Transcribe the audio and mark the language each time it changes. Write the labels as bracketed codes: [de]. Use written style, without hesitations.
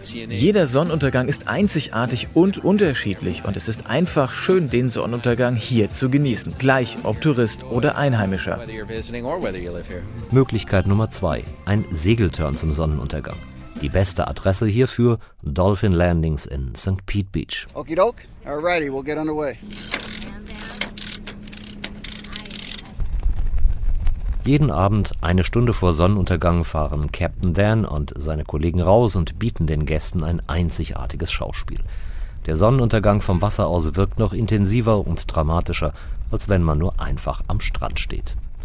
[de] Jeder Sonnenuntergang ist einzigartig und unterschiedlich und es ist einfach schön, den Sonnenuntergang hier zu genießen, gleich ob Tourist oder Einheimischer. Möglichkeit Nummer 2, ein Segelturn zum Sonnenuntergang. Die beste Adresse hierfür, Dolphin Landings in St. Pete Beach. [en] Okidoke, alrighty, we'll get underway. [de] Jeden Abend, eine Stunde vor Sonnenuntergang, fahren Captain Dan und seine Kollegen raus und bieten den Gästen ein einzigartiges Schauspiel. Der Sonnenuntergang vom Wasser aus wirkt noch intensiver und dramatischer, als wenn man nur einfach am Strand steht.